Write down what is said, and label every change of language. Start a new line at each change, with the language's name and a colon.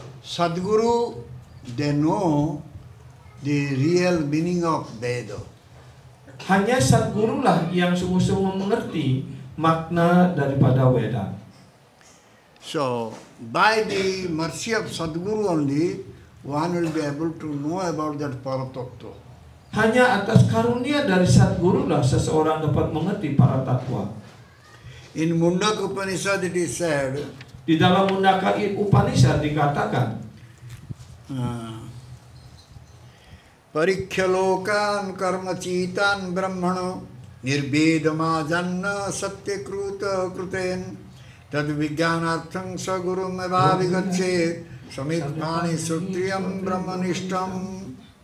English: Sadguru, they know the real meaning of Veda.
Indonesian: Hanya Sadgurulah yang sungguh-sungguh mengerti makna daripada Weda.
English: So, by the mercy of Sadguru only, one will be able to know about that Paratattva.
Indonesian: Hanya atas karunia dari Sadgurulah seseorang dapat mengerti Paratattva.
English: In Mundaka Upanishad it is said,
Indonesian: di dalam Mundaka Upanishad dikatakan,
Sanskrit: Parikhyalokan karmacitan brahmano nirbedama janna satya kruta kruten tad vijnanartham sa gurum evavigacche samitpani sutriyam brahmanishtam.